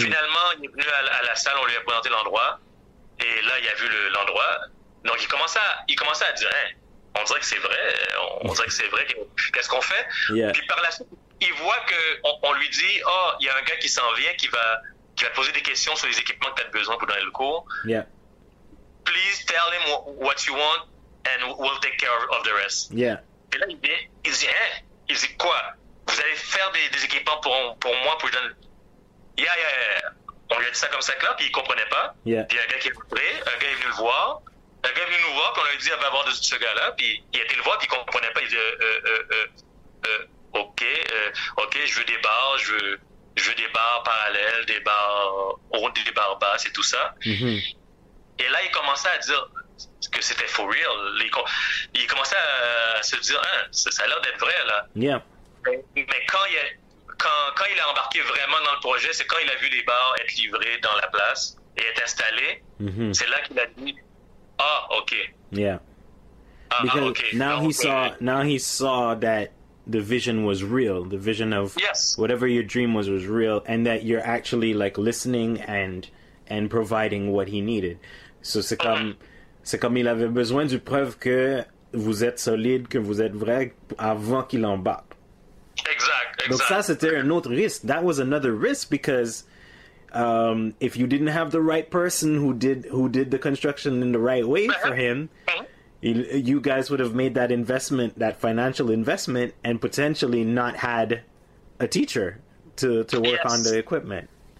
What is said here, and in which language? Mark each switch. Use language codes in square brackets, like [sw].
[fr] Finalement, il est venu à la salle, on lui a présenté l'endroit, et là, il a vu l'endroit. Donc, il commençait à dire, hey, on dirait que c'est vrai, on dirait que c'est vrai, qu'est-ce qu'on fait? [en] Yeah. [fr] Puis par la suite, il voit qu'on lui dit, oh, il y a un gars qui s'en vient, qui va te poser des questions sur les équipements que tu as besoin pour donner le cours. [en] Yeah. Please tell him what you want and we'll take care of the rest. Yeah. [fr] Et là, il dit, hein? Il dit, quoi? Vous allez faire des équipements pour moi, pour donner... Yeah. On lui a dit ça comme ça, clair, puis il comprenait pas. [en] Yeah. [fr] Puis un gars est venu nous voir, puis on lui a dit, on va voir ce gars-là, puis il a été le voir, puis il comprenait pas. Il dit, OK, je veux des barres parallèles, des barres hautes, des barres basses et tout ça. Mm-hmm. Et là, il commençait à dire... que c'était [en] for real. [fr] Il commençait à se dire, hein, ça a l'air d'être vrai, là. [en] Yeah. [fr] Mais quand il a embarqué vraiment dans le projet, c'est quand il a vu les bars être livrés dans la place et être installés. Mm-hmm. C'est là qu'il a dit, ah, OK. [en] Yeah. Ah, because ah, OK. Now, non, he okay. Saw, now he saw that the vision was real. The vision of yes. Whatever your dream was real, and that you're actually, like, listening and providing what he needed. [fr] So c'est comme... Mm-hmm. C'est comme il avait besoin du preuve que vous êtes solide, que vous êtes vrai avant qu'il embarque. Exact. Donc ça, c'était un autre risque. [en] That was another risk because if you didn't have the right person who did the construction in the right way for him, you guys would have made that investment, that financial investment, and potentially not had a teacher to work yes. on the equipment.